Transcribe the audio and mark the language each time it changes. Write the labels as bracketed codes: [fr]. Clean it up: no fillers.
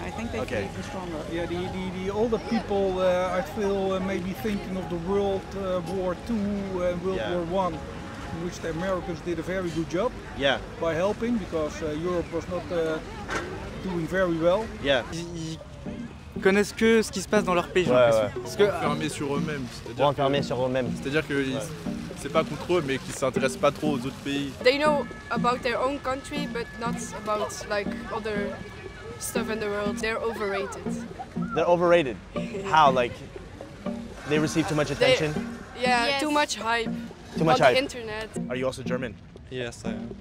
[en] I think they feel even stronger. Yeah, the older people, I feel maybe thinking of the World War II and World War I, in which the Americans did a very good job. Yeah. By helping, because Europe was not doing very well. Yeah. [fr] Connaissent que ce qui se passe dans leur pays, j'ai l'impression. Enfermés sur eux-mêmes. Enfermés sur eux-mêmes. C'est-à-dire que c'est pas contre eux, mais qu'ils s'intéressent pas trop aux autres pays. [en] They know about their own country, but not about like other stuff in the world. They're overrated. They're overrated. How? Like they receive too much attention. Too much hype. Too much on hype. The internet. Are you also German? Yes, I am.